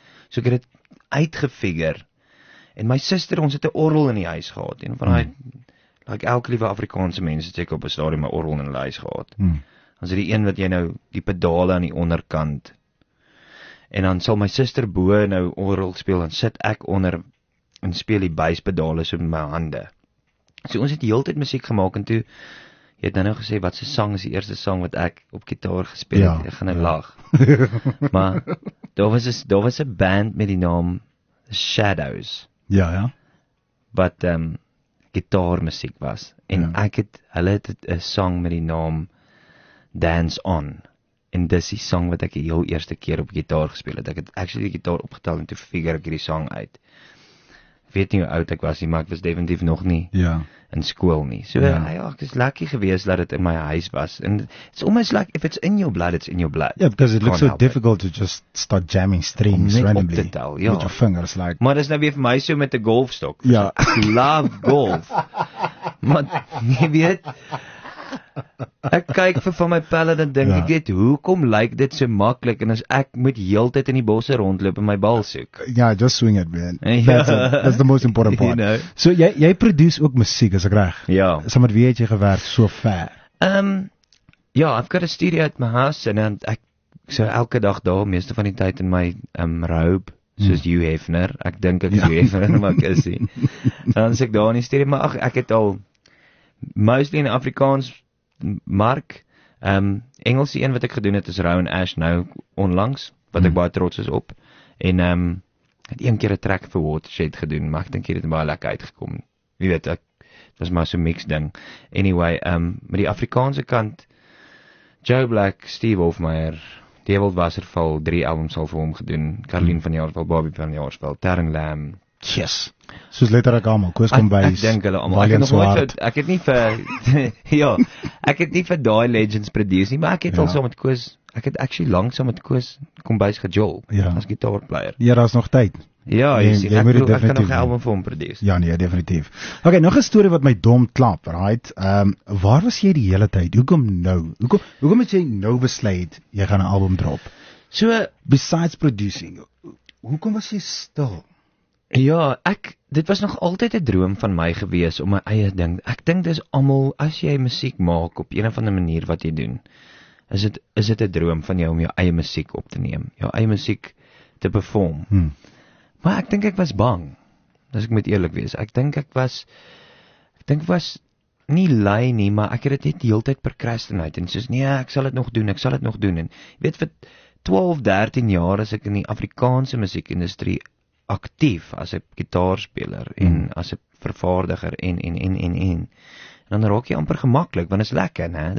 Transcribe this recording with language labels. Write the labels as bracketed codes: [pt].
[af] So ek het dit uitgefigure. En my suster, ons het 'n orgel in die huis gehad en van daai like elke liewe Afrikaanse mens het seker op 'n stadium 'n orgel in hulle huis gehad. Ons het die een wat jy nou die pedale aan die onderkant. En dan sal my suster bo nou orgel speel en sit ek onder en speel die basspedale so met my hande. So ons het heeltyd musiek gemaak en toe jy het nou gesê wat se sang is die eerste sang wat ek op gitaar gespeel het. Ek gaan lag. Maar daar was 'n band met die naam Shadows. Ja, ja. Wat gitaarmusiek was en ja. Ek het hulle het 'n sang met die naam Dance On. En dis die sang wat ek die heel eerste keer op gitaar gespeel het. Ek het actually die gitaar opgetel en toe figure ek hierdie sang uit. Weet nie hoe oud ek was nie, maar ek was definitief nog nie ja. in skool nie. So ja, ja ek is lucky geweest dat dit in my huis was. [en] En it's almost like if it's in your blood, it's in your blood. Yeah, because it looks so difficult to just start jamming strings randomly. [af] Om net op te tel, ja. [en] With your fingers, like... [af] Maar dis nou weer vir my so met die golfstok. Ja. [en] I love golf. [af] Maar, nie weet... Ek kyk vir van my pelle en dink ja. ek dit, hoekom lyk dit so maklik en as ek moet heeltyd in die bosse rondloop en my bal soek. [en] Ja, just swing it, man. That's the most important part. You know. [af] So jy produce ook musiek, as ek reg? Ja. So met wie het jy gewerk so ver? Ja, [en] I've got a studio at my house [af] en ek so elke dag daar, meeste van die tyd in my robe, soos Hugh Hefner. Ek dink ek is Hugh Hefner, maar ek is nie. Dan is ek daar in die studio, maar ach, ek het al mostly in Afrikaans Mark, Engelse een wat ek gedoen het is Rowan Ash nou onlangs, wat ek baie trots is op, en het een keer een track vir Watershed gedoen, maar ek dink hier het baie lekker uitgekom, wie weet, dit was maar so'n mix ding, anyway, met die Afrikaanse kant, Joe Black, Steve Hofmeyer, Dewald Wasserval, 3 albums al vir hom gedoen, Caroline van Jaarsveld, Bobby van Jaarsveld, Taryn Lamb, Yes. Soos letterlik almal, Koos Kombuis. Ek dink hulle almal. Ek het nie vir ja, ek het nie vir daai legends produce nie, maar ek het al saam met Koos, ek het actually lank saam met Koos Kombuis gejol as guitar player. Ja, daar is nog tyd. Ja, jy sien, ek kan nog 'n album vir hom produce. Ja, nee, definitief. Okay, nog 'n storie wat my dom klap, right? Waar was jy die hele tyd? Hoekom nou? Hoekom het jy nou besluit jy gaan 'n album drop? So, besides producing, hoekom was jy stil? Ja, dit was nog altyd 'n droom van my gewees om my eie ding. Ek dink dis almal as jy musiek maak op een of ander manier wat jy doen, is dit 'n droom van jou om jou eie musiek op te neem, jou eie musiek te perform. Maar ek dink ek was bang. As ek moet eerlik wees, ek dink ek was nie lui nie, maar ek het dit net heeltyd procrastinate en soos nee, ek sal dit nog doen en jy weet vir 12, 13 jaar as ek in die Afrikaanse musiekindustrie aktief as 'n gitaarspeler en as 'n vervaardiger en dan raak jy amper gemaklik, want is lekker, hè?